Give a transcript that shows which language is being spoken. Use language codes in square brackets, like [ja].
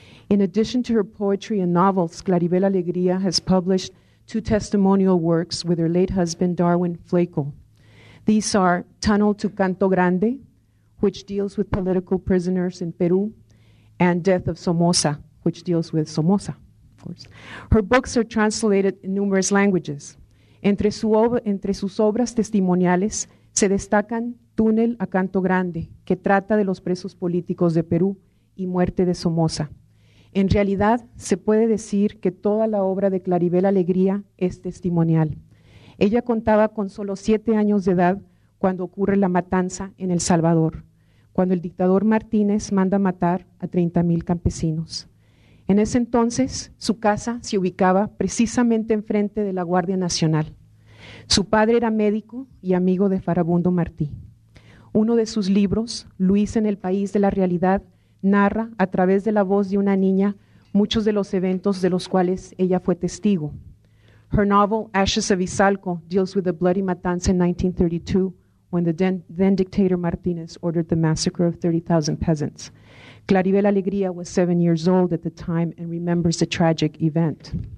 [en] In addition to her poetry and novels, Claribel Alegría has published 2 testimonial works with her late husband, Darwin Flakel. These are Tunnel to Canto Grande, which deals with political prisoners in Peru, and Death of Somoza, which deals with Somoza, of course. Her books are translated in numerous languages. [es] Entre sus obras testimoniales se destacan Túnel a Canto Grande, que trata de los presos políticos de Perú, y Muerte de Somoza. En realidad, se puede decir que toda la obra de Claribel Alegría es testimonial. Ella contaba con solo 7 años de edad cuando ocurre la matanza en El Salvador, cuando el dictador Martínez manda matar a 30,000 campesinos. En ese entonces, su casa se ubicaba precisamente enfrente de la Guardia Nacional. Su padre era médico y amigo de Farabundo Martí. Uno de sus libros, Luis en el País de la Realidad, narra a través de la voz de una niña muchos de los eventos de los cuales ella fue testigo. [en] Her novel, Ashes of Izalco, deals with the bloody matanza in 1932 when the then dictator Martinez ordered the massacre of 30,000 peasants. Claribel Alegría was 7 years old at the time and remembers the tragic event.